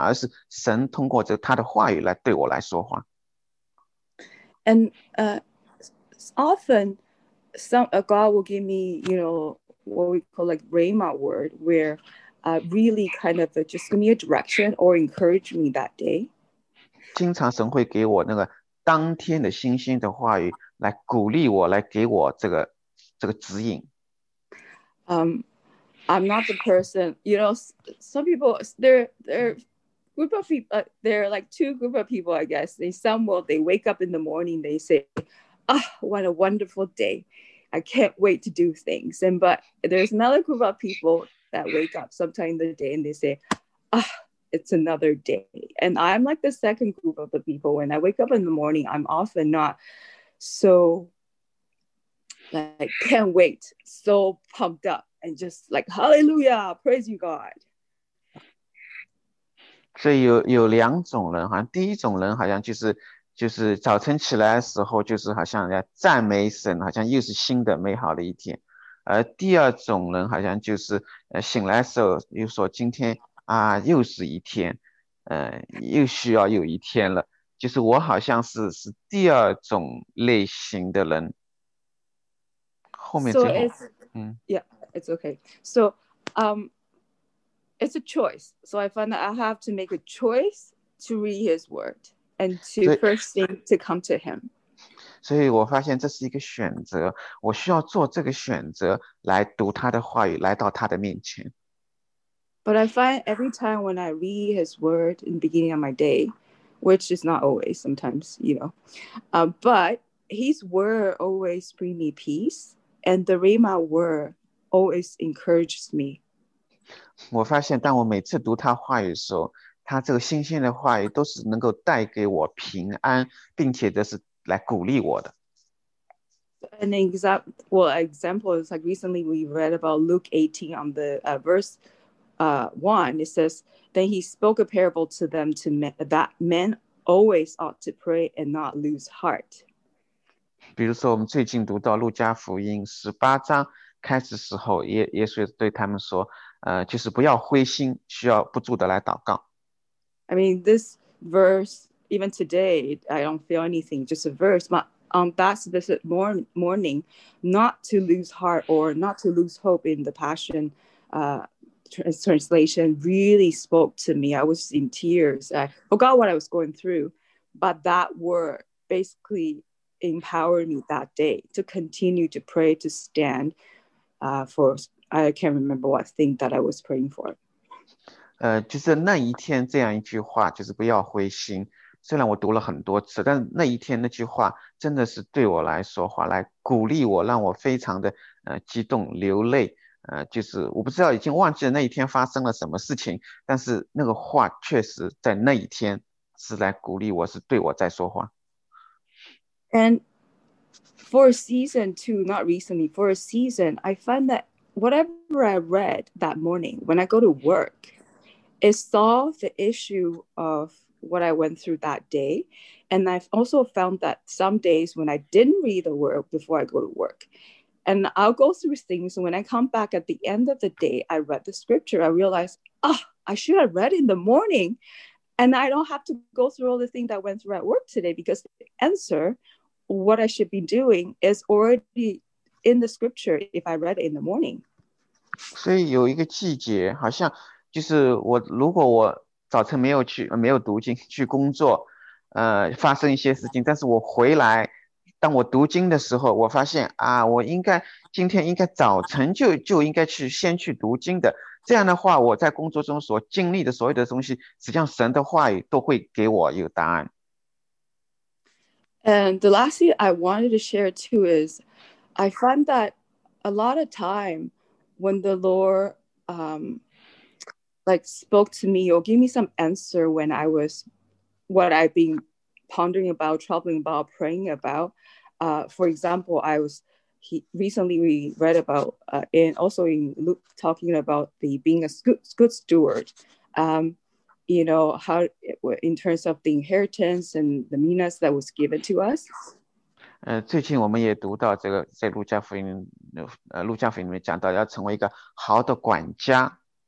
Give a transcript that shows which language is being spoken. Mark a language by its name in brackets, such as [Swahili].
[Chinese] 所以我早晨读经时，我会祷告，就求神来向我来显示、来彰显，他通过今天这个话语要跟我说什么话，不是说我要去找什么答案，而是神通过这他的话语来对我来说话。 [English] And often. God will give me, you know, what we call like rhema word, where really kind of just give me a direction or encourage me that day. [Chinese] 经常神会给我那个当天的信心的话语来鼓励我，来给我这个指引。 [English] I'm not the person, you know, some people, there are like two group of people, I guess. They wake up in the morning, they say, ah, oh, what a wonderful day. I can't wait to do things. But there's another group of people that wake up sometime in the day and they say, ah, oh, it's another day. And I'm like the second group of the people. When I wake up in the morning, I'm often not so, like, can't wait, so pumped up and just like, hallelujah, praise you, God. [Chinese] 所以有两种人，好像第一种人好像就是 就是早晨起来的时候，就是好像要赞美神，好像又是新的美好的一天。而第二种人好像就是醒来的时候又说今天啊又是一天，又需要又一天了。就是我好像是第二种类型的人，后面 [English] So [Chinese] 最后， [English] it's, yeah, it's okay. So, it's a choice. So I find that I have to make a choice to read his word and to first thing to come to him. [Chinese] 所以我发现这是一个选择，我需要做这个选择来读他的话语，来到他的面前。 [English] But I find every time when I read his word in the beginning of my day, which is not always, sometimes, but his word always bring me peace, and the Rhema word always encourages me. [Chinese] 我发现，当我每次读他话语的时候，他这个新鲜的话语都是能够带给我平安，并且这是来鼓励我的。 [English] Example is like recently we read about Luke 18 on the verse. One, it says, then he spoke a parable to them to me that men always ought to pray and not lose heart. [Chinese] 比如说，我们最近读到路加福音18章开始时候，耶稣对他们说。就是不要灰心，需要不住的来祷告。 [English] I mean, this verse, even today, I don't feel anything, just a verse, but that's this morning, not to lose heart or not to lose hope in the passion. Translation really spoke to me. I was in tears. I forgot what I was going through, but that word basically empowered me that day to continue to pray, to stand for, I can't remember what thing that I was praying for. [Chinese] 就是那一天这样一句话，就是不要灰心。虽然我读了很多次，但那一天那句话真的是对我来说话，来鼓励我，让我非常的激动流泪。就是我不知道已经忘记了那一天发生了什么事情，但是那个话确实在那一天是来鼓励我，是对我在说话。 [English] And for a season too, not recently, for a season, I find that whatever I read that morning when I go to work, it solved the issue of what I went through that day. And I've also found that some days when I didn't read the word before I go to work, and I'll go through things. And when I come back at the end of the day, I read the scripture, I realize, oh, I should have read in the morning. And I don't have to go through all the things that went through at work today because the answer, what I should be doing is already in the scripture if I read it in the morning. [Chinese] 所以有一个季节，好像就是我，如果我早晨没有去，没有读经去工作，发生一些事情，但是我回来，当我读经的时候，我发现啊，我应该今天应该早晨就应该去先去读经的，这样的话，我在工作中所经历的所有的东西，实际上神的话语都会给我有答案。 [English] And the last thing I wanted to share too is I find that a lot of time when the Lord like spoke to me or gave me some answer when I was what I've been pondering about, troubling about, praying about. For example, I was he recently we read about and also in Luke talking about the being a good steward. How in terms of the inheritance and the minas that was given to us. [Chinese] 最近我们也读到这个，在路加福音，路加福音里面讲到要成为一个好的管家。